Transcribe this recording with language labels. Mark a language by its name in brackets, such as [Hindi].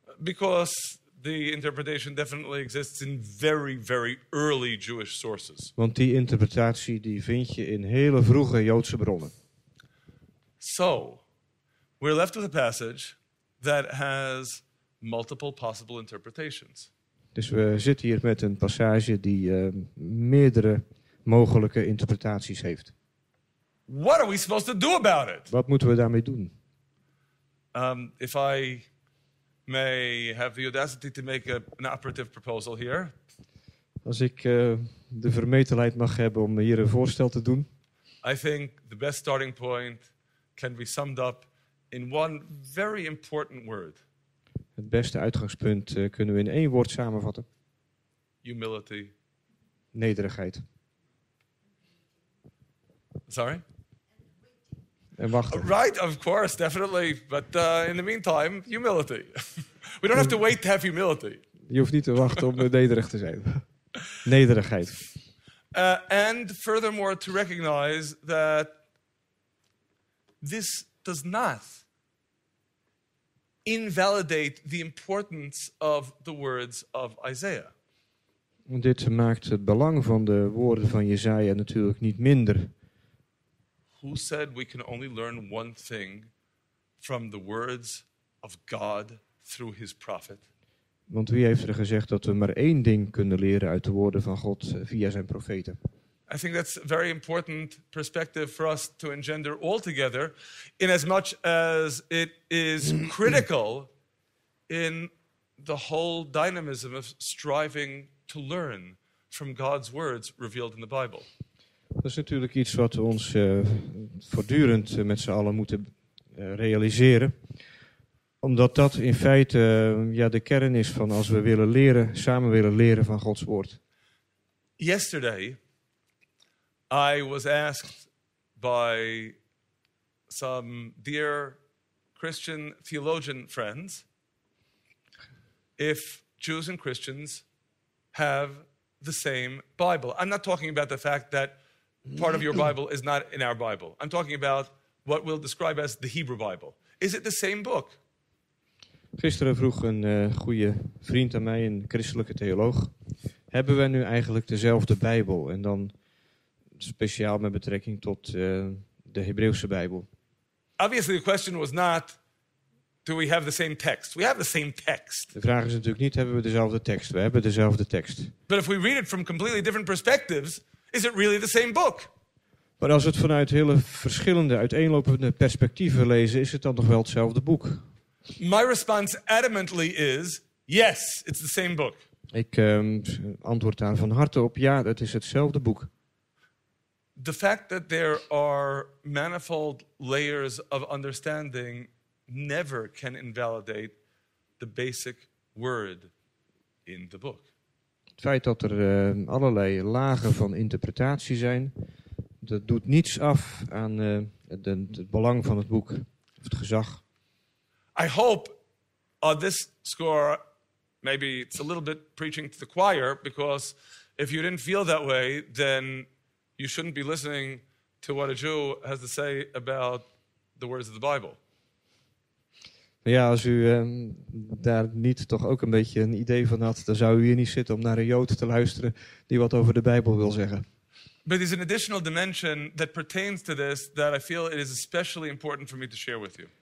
[English] Because the interpretation definitely exists in very, very early Jewish sources. [Dutch] Want die interpretatie die vind je in hele vroege Joodse bronnen. [English] So, we're left with a passage that has multiple possible interpretations. [Dutch] Dus we zitten hier met een passage die meerdere mogelijke interpretaties heeft. [English] What are we supposed to do about it? [Dutch] Wat moeten we daarmee doen? [English] If I may have the audacity to make an operative proposal here. [Dutch] Als ik de vermetelheid mag hebben om hier een voorstel te doen. [English] I think the best starting point can be summed up in one very important word. [Dutch] Het beste uitgangspunt kunnen we in één woord samenvatten. [English] Humility. [Dutch] Nederigheid. [English] Sorry? [Dutch] En wachten. [English] Right, of course, definitely. But in the meantime, humility. We don't have to wait to have humility. [Dutch] Je hoeft niet te wachten om nederig te zijn. Nederigheid. [English] And furthermore, to recognize that this does not invalidate the importance of the words of Isaiah. [Dutch] Dit maakt het belang van de woorden van Jesaja natuurlijk niet minder. [English] Who said we can only learn one thing from the words of God through his prophet? [Dutch] Want wie heeft er gezegd dat we maar één ding kunnen leren uit de woorden van God via zijn profeten? [English] I think that's a very important perspective for us to engender altogether, in as much as it is critical in the whole dynamism of striving to learn from God's words revealed in the Bible. [Dutch] Dat is natuurlijk iets wat we ons voortdurend met z'n allen moeten realiseren. Omdat dat in feite de kern is van als we willen leren, samen willen leren van Gods woord. [English] Yesterday, I was asked by some dear Christian theologian friends if Jews and Christians have the same Bible. I'm not talking about the fact that part of your Bible is not in our Bible. I'm talking about what we'll describe as the Hebrew Bible. Is it the same book? [Dutch] Gisteren vroeg een goede vriend aan mij, een christelijke theoloog, hebben we nu eigenlijk dezelfde Bijbel? En dan speciaal met betrekking tot de Hebreeuwse Bijbel. [English] Obviously the question was not, do we have the same text? We have the same text. [Dutch] De vraag is natuurlijk niet, hebben we dezelfde tekst? We hebben dezelfde tekst. [English] But if we read it from completely different perspectives, is it really the same book? [Dutch] Maar als we het vanuit hele verschillende, uiteenlopende perspectieven lezen, is het dan nog wel hetzelfde boek? [English] My response adamantly is, yes, it's the same book. [Dutch] Ik antwoord daar van harte op, ja, het is hetzelfde boek. [English] The fact that there are manifold layers of understanding never can invalidate the basic word in the book. [Dutch] Het feit dat er allerlei lagen van interpretatie zijn, dat doet niets af aan het belang van het boek, of het gezag. [English] I hope on this score, maybe it's a little bit preaching to the choir, because if you didn't feel that way, then you shouldn't be listening to what a Jew has to say about the words of the Bible. [Dutch] Ja, als u daar niet toch ook een beetje een idee van had, dan zou u hier niet zitten om naar een Jood te luisteren die wat over de Bijbel wil zeggen. [English] But there's an additional dimension that pertains to this that I feel it is especially important for me to share with you.